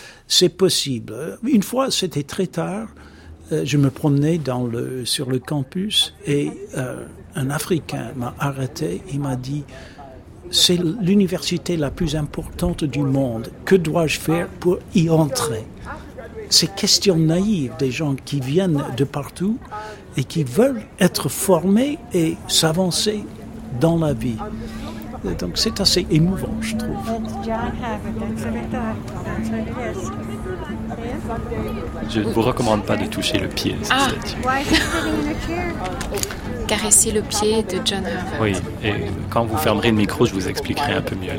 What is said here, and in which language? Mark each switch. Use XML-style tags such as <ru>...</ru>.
<fr>C'est possible. Une fois, c'était très tard, je me promenais sur le campus et un Africain m'a arrêté et m'a dit « C'est l'université la plus importante du monde. Que dois-je faire pour y entrer ?» C'est question naïve des gens qui viennent de partout et qui veulent être formés et s'avancer dans la vie. Donc c'est assez émouvant, je trouve.</fr> <en>It's John Harvard, that's what I thought. That's what it is.</en> <fr>Je ne vous recommande pas de toucher le pied de cette statue. Caresser le pied de John Herbert. Oui, et quand vous fermerez le micro, je vous expliquerai un peu mieux.</fr>